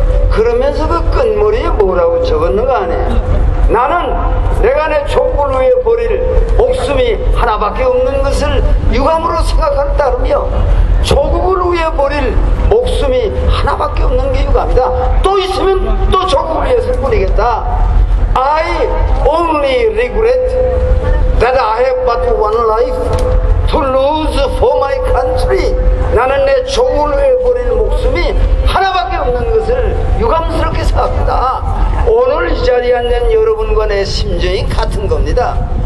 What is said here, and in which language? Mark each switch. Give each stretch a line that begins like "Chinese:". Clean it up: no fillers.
Korean: 그러면서 그 끝머리에 뭐라고 적었는가 하네. 나는 내가 내 촛불 위에 버릴 목숨이 하나밖에 없는 것을 유감으로 생각할 따름이요. 조국을 위해 버릴 목숨이 하나밖에 없는 게 유감이다. 또 있으면 또 조국을 위해서 버리겠다.
English: I only regret that I have but one life to lose for my country.
Korean: 나는 내 조국을 위해 버릴 목숨이 하나밖에 없는 것을 유감스럽게 생각한다. 오늘 이 자리에 앉은 여러분과 내 심정이 같은 겁니다.